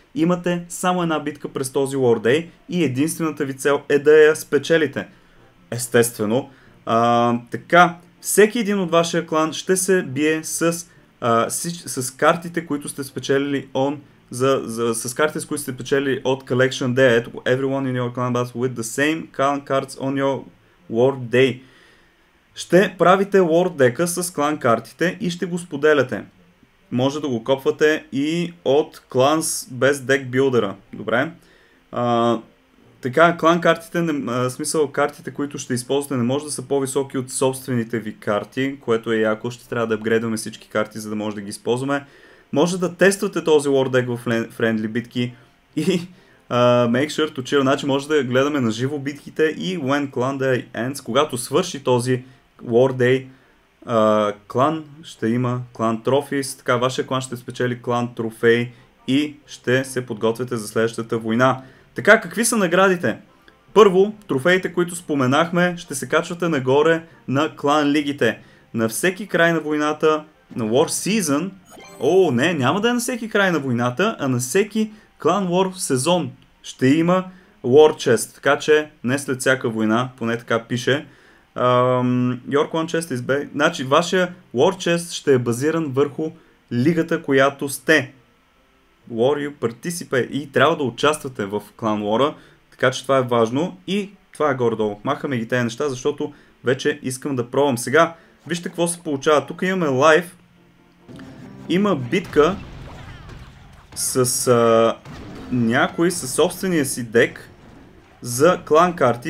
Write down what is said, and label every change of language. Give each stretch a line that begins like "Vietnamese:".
Bulgarian: Имате само една битка през този War Day и единствената ви цел е да я спечелите. Естествено. Така, всеки един от вашия клан ще се бие с картите, които сте спечелили с картите, с които сте печели от Collection Day. Ето го,
English: everyone in your clan battle with the same clan cards on your War Day.
Bulgarian: Ще правите War Deck-а с клан картите и ще го споделяте. Може да го копвате и от Clans без Deck Builder-а. Добре. Така, клан картите, смисъл картите, които ще използвате, не може да са по-високи от собствените ви карти, което е яко, ще трябва да апгрейдваме всички карти, за да може да ги използваме. Може да тествате този War Deck в Friendly битки и
English: make sure to chill.
Bulgarian: Значи може да гледаме на живо битките и
English: when Clan Day ends,
Bulgarian: когато свърши този War Day, клан ще има клан трофис, така вашия клан ще спечели клан трофей и ще се подготвяте за следващата война. Така, какви са наградите? Първо, трофеите, които споменахме, ще се качвате нагоре на клан лигите. На всеки край на войната, на War Season, няма да е на всеки край на войната, а на всеки клан War сезон ще има War Chest. Така че, не след всяка война, поне така пише.
English: Your clan chest is based...
Bulgarian: Значи, вашия War Chest ще е базиран върху лигата, която сте.
English: War you participate.
Bulgarian: И трябва да участвате в клан лора, така че това е важно. И това е горе-долу. Махаме ги тези неща, защото вече искам да пробвам. Сега, вижте какво се получава. Тук имаме лайв. Има битка с някой със собствения си дек за клан карти.